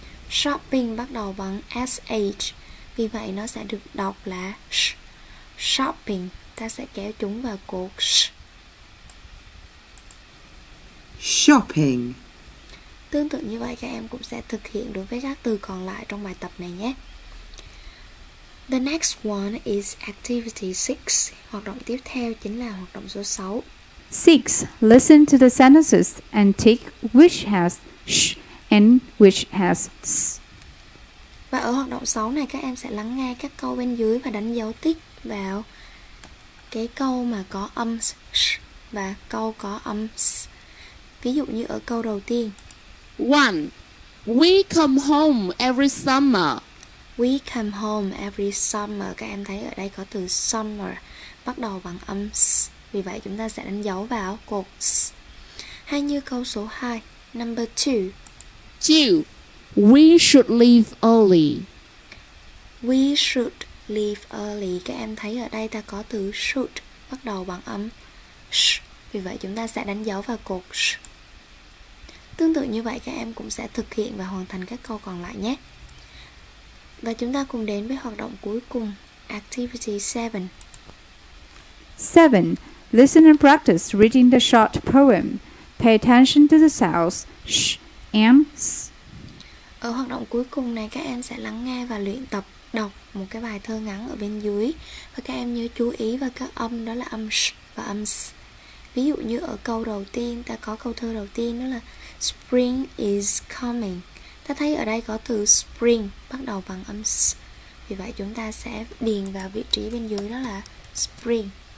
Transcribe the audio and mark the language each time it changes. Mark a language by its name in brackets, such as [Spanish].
[Vietnamese] Shopping bắt đầu bằng sh. Vì vậy nó sẽ được đọc là sh. Shopping, ta sẽ kéo chúng vào cột sh. Shopping. Tương tự như vậy, các em cũng sẽ thực hiện đối với các từ còn lại trong bài tập này nhé. [English] The next one is activity 6. [Vietnamese] Hoạt động tiếp theo chính là hoạt động số 6. [English] 6. Listen to the sentences and tick which has sh and which has s. [Vietnamese] Và ở hoạt động 6 này, các em sẽ lắng nghe các câu bên dưới và đánh dấu tick vào cái câu mà có âm sh và câu có âm s. Ví dụ như ở câu đầu tiên. [English] 1. We come home every summer. We come home every summer. [Vietnamese] Các em thấy ở đây có từ summer bắt đầu bằng âm s. Vì vậy chúng ta sẽ đánh dấu vào cột s. Hay như câu số 2. [English] Number 2. 2. We should leave early. We should leave early. [Vietnamese] Các em thấy ở đây ta có từ should bắt đầu bằng âm sh. Vì vậy chúng ta sẽ đánh dấu vào cột sh. Tương tự như vậy, các em cũng sẽ thực hiện và hoàn thành các câu còn lại nhé. Và chúng ta cùng đến với hoạt động cuối cùng, Activity 7. [English] 7. Listen and practice reading the short poem. Pay attention to the sounds sh and s. [Vietnamese] Ở hoạt động cuối cùng này, các em sẽ lắng nghe và luyện tập đọc một cái bài thơ ngắn ở bên dưới. Và các em nhớ chú ý vào các âm, đó là âm sh và âm s. Ví dụ như ở câu đầu tiên, ta có câu thơ đầu tiên đó là [English] Spring is coming. [Vietnamese] Ta thấy ở đây có từ spring bắt đầu bằng âm s. Vì vậy chúng ta sẽ điền vào vị trí bên dưới đó là spring.